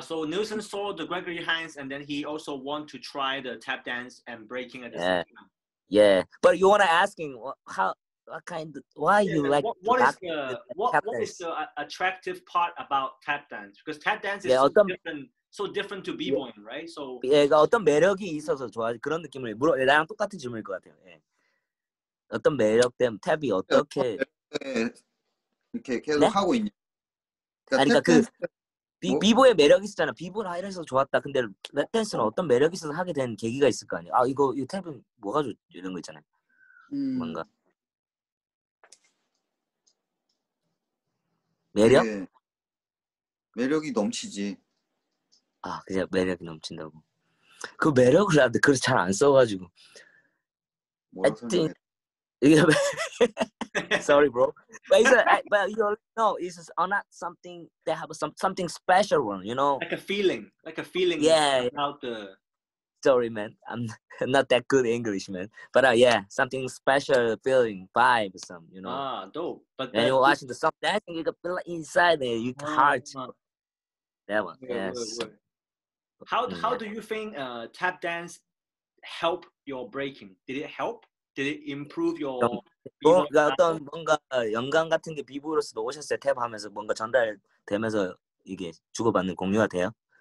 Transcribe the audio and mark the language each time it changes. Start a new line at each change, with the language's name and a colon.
English: So Nilsson saw the Gregory Hines, and then he also want to try the tap dance and breaking at the same time. Yeah, but you wanna asking what kind of, why yeah, you like what is the attractive part about tap dance? Because tap dance is yeah, so
Korean: 어떤,
English: different. So different to b-boying, yeah. right? So
Korean: 얘가 어떤 매력이 있어서 좋아 그런 느낌을 물어 나랑 똑같은 질문일 것 같아요. 예. 어떤 매력 때문에 탭이 어떻게 이렇게 계속 네? 하고 있냐? 그러니까 그 b-boy의 매력이 있잖아. b-boy를 하면서 좋았다. 근데 랩댄스는 어떤 매력이 있어서 하게 된 계기가 있을 거 아니야? 아 이 탭은 뭐가 좋 이런 거 있잖아요. 뭔가 매력? 매력이 넘치지. 아, 그냥 매력이 넘친다고. 그 매력을 나한테 그래서 잘 안 써가지고. 하여튼 이게
English: sorry bro. But it's a, but you know, it's not something they have something special one, you know. Like a feeling. Yeah. About the. Sorry, man. I'm not that good English, man. But yeah, something special feeling vibe, some you know. Ah, dope. But when you're watching the song, that thing you can feel inside there, your heart. That one. Yeah, yes. How do you think tap dance help your breaking? Did it help? Did it improve your?
Korean: 뭔가 어떤 뭔가 영감 같은 게 비브로스 넣으셨을 때 탭 하면서 뭔가 전달되면서 이게 주고받는 공유가 돼요?